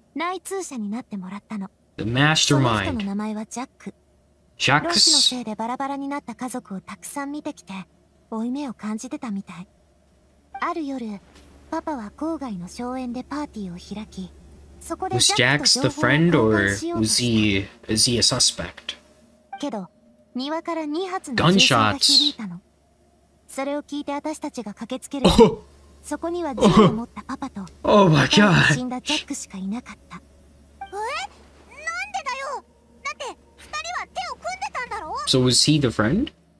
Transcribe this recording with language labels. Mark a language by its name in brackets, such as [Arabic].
[Japanese] 内通者になってもらったの。 [English] The mastermind. [Japanese] その人の名前はジャック。ジャックス。ロシのせいでバラバラになった家族をたくさん見てきて、負い目を感じてたみたい。ある夜、パパは郊外の荘園でパーティーを開き、 [English] Was Jax the friend, or is he a suspect? Gunshots. [Japanese] それを聞いて私たちが駆けつける。そこには銃を持ったパパと、 [English] Oh my God! [Japanese] 死んだジャックしかいなかった。え？なんでだよ。だって二人は手を組んでたんだろ。 [English] So was he the friend?